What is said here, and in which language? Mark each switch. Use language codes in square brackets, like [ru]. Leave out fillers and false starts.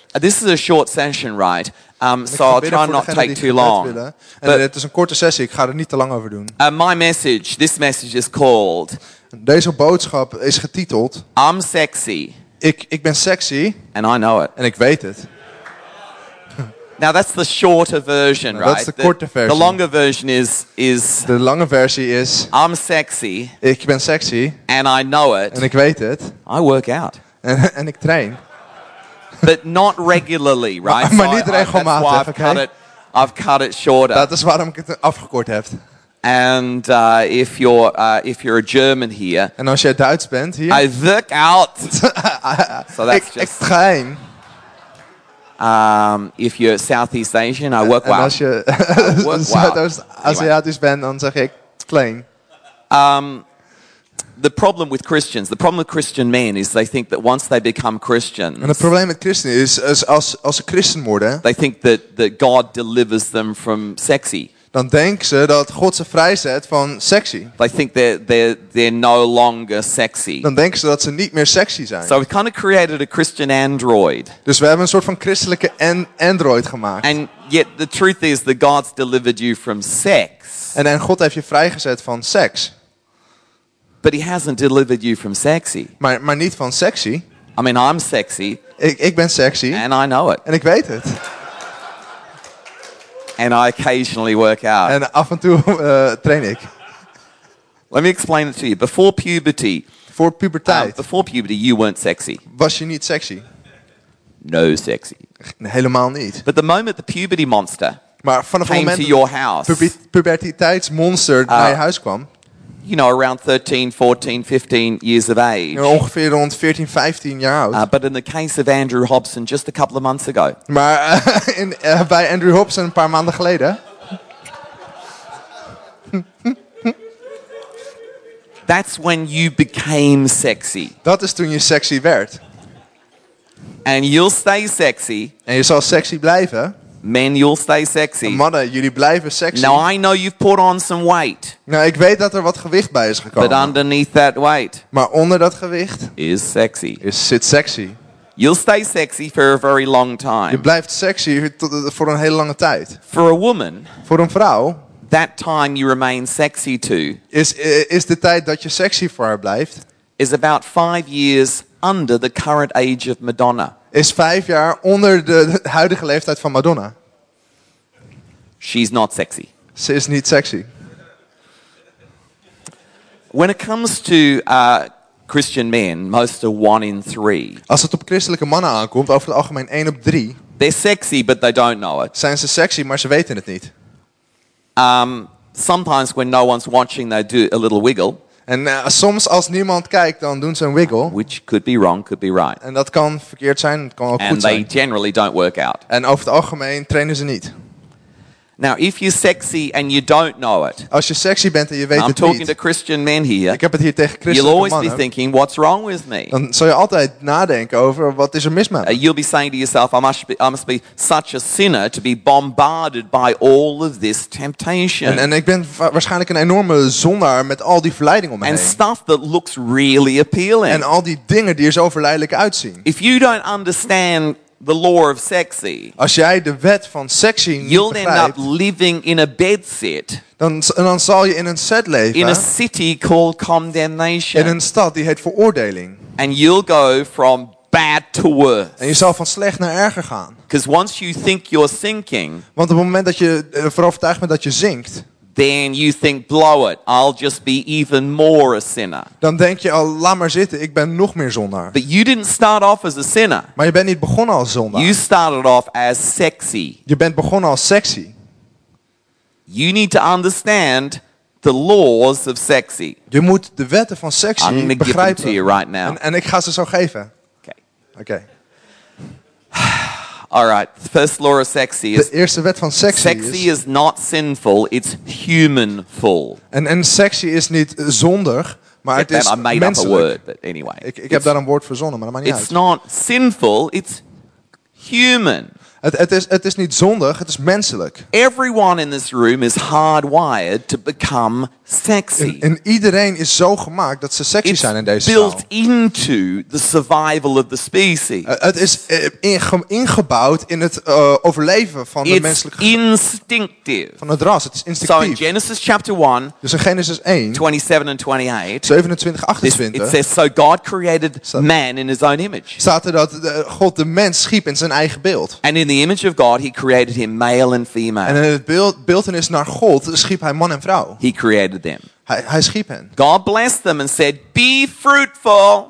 [en] This is a short session, right? So I'll try not to take too long. [nl] En het is een korte sessie, ik ga er niet te lang over doen. [en] This message is called... [nl] Deze boodschap is getiteld... [en] I'm sexy. [nl] Ik ben sexy. [en] And I know it. [nl] En ik weet het. [en] Now that's the shorter version, right? That's the [nl] korte versie. [en] The longer version is [nl] de lange versie is [en] I'm sexy. [nl] Ik ben sexy. [en] And I know it. [nl] En ik weet het. [en] I work out. [nl] En ik train. [en] But not regularly, right? [nl] Maar niet regelmatig, [en] that's why I've cut it shorter. [nl] Dat is waarom ik het afgekort heb. [en] And if you're a German here. [nl] En als je Duits bent hier. [en] I work out. So that's [nl] ik train. [en] If you're Southeast Asian, I work well. [nl] Als je Zuidoost-Aziatisch bent, dan zeg ik plain. [en] The problem with Christian men is they think that once they become Christians. [nl] En het probleem met christenen is als ze christen worden. [en] They think that God delivers them from sexy. [nl] Dan denken ze dat God ze vrijzet van sexy. [en] They think they're no longer sexy. [nl] Dan denken ze dat ze niet meer sexy zijn. [en] So we kind of created a Christian android. [nl] Dus we hebben een soort van christelijke android gemaakt. [en] And yet the truth is that God's delivered you from sex. [nl] En God heeft je vrijgezet van seks. [en] But he hasn't delivered you from sexy. [nl] Maar niet van sexy. [en] I mean, I'm sexy. [nl] Ik ben sexy. [en] And I know it. [nl] En ik weet het. [en] And I occasionally work out. [nl] En af en toe train ik. [en] Let me explain it to you. Before puberty. [nl] Voor puberteit. [en] Before puberty, you weren't sexy. [nl] Was je niet sexy? [en] no sexy. [nl] Helemaal niet. [en] But the moment the puberty monster [nl] maar vanaf [en] came [nl] moment [en] to your house, [nl] puberteitsmonster naar je huis kwam, [en] you know, around 13, 14, 15 years of age. [nl] Ongeveer rond 14, 15 jaar oud. [en] But in the case of Andrew Hobson, just a couple of months ago. [nl] Maar bij Andrew Hobson een paar maanden geleden. [en] That's when you became sexy. [nl] Dat is toen je sexy werd. [en] And you'll stay sexy. [nl] En je zal sexy blijven. [en] Men, you'll stay sexy. [nl] Mannen, jullie blijven sexy. [en] Now I know you've put on some weight. [nl] Nou, ik weet dat er wat gewicht bij is gekomen. [en] But underneath that weight, [nl] maar onder dat gewicht, [en] is sexy. [nl] Is zit sexy. [en] You'll stay sexy for a very long time. [nl] Je blijft sexy voor een hele lange tijd. [en] For a woman, [nl] voor een vrouw, [en] that time you remain sexy to, [nl] is de tijd dat je sexy voor haar blijft, [en] is about 5 years under the current age of Madonna. [nl] Is 5 jaar onder de huidige leeftijd van Madonna. [en] She's not sexy. [nl] Ze is niet sexy. [en] When it comes to Christian men, most are 1 in 3. [nl] Als het op christelijke mannen aankomt, over het algemeen 1 op 3. [en] They're sexy, but they don't know it. [nl] Zijn ze sexy, maar ze weten het niet. [en] Sometimes when no one's watching, they do a little wiggle. [nl] En soms als niemand kijkt, dan doen ze een wiggle. [en] Which could be wrong, could be right. [nl] En dat kan verkeerd zijn, het kan ook [en] and [nl] goed zijn. [en] They generally don't work out. [nl] En over het algemeen trainen ze niet. [en] Now, if you're sexy and you don't know it, [nl] als je sexy bent en je weet [en] I'm [nl] het niet. [en] I'm talking to Christian men here. [nl] Ik heb het hier tegen christelijke [en] you'll always [nl] mannen. [en] Be thinking, what's wrong with me? [nl] Dan zal je altijd nadenken over wat is er mis met me. [en] You'll be saying to yourself, I must be such a sinner to be bombarded by all of this temptation. [nl] En ik ben waarschijnlijk een enorme zondaar met al die verleiding om me [en] and [nl] heen. [en] Stuff that looks really appealing. [nl] En al die dingen die er zo verleidelijk uitzien. [en] If you don't understand the law of sexy. [nl] Als jij de wet van sexy niet [en] you'll [nl] begrijpt, [en] end up living in a bedsit. [nl] Dan zal je in een set leven. [en] In a city called condemnation. [nl] In een stad die heet veroordeling. [en] And you'll go from bad to worse. [nl] En je zal van slecht naar erger gaan. [en] Because once you think you're sinking. [nl] Want op het moment dat je ervan overtuigd bent dat je zinkt. [en] Then you think, blow it, I'll just be even more a sinner. [nl] Dan denk je al, laat maar zitten, ik ben nog meer zondaar. [en] But you didn't start off as a sinner. [nl] Maar je bent niet begonnen als zondaar. [en] You started off as sexy. [nl] Je bent begonnen als sexy. [en] You need to understand the laws of sexy. [nl] Je moet de wetten van sexy [en] I'm [nl] begrijpen. [en] Give them to you right now. [nl] En ik ga ze zo geven. [en] Okay. All right, the first law of sexy is [nl] de eerste wet van sexy, [en] sexy is not sinful, it's humanful. [nl] En sexy is niet zondig, maar [en] get [nl] het [en] that, [nl] is [en] I made [nl] menselijk. [en] Up a word, but anyway. [nl] Ik heb daar een woord voor zonnen, maar dat maakt niet [en] it's [nl] uit. [en] It's not sinful, it's human. [nl] Het is niet zondig, het is menselijk. [en] Everyone in this room is hardwired to become sexy. [nl] En iedereen is zo gemaakt dat ze sexy [en] it's [nl] zijn in deze [en] built [nl] zaal. [en] Into the survival of the species. [nl] Het is ingebouwd in het overleven van [en] it's [nl] de menselijke [en] instinctive. [nl] Van het ras, het is instinctief. [en] So in Genesis chapter 1, [nl] dus in Genesis 1, [en] 27 and 28, [nl] 27, 28 [en] this, it says, so God created man in his own image. [nl] Staat er dat God de mens schiep in zijn eigen beeld. [en] And in the image of God, he created him male and female. [nl] En in het beeldenis naar God schiep hij man en vrouw. [en] He created them. [nl] Hij schiep hen. [en] God blessed them and said, "Be fruitful."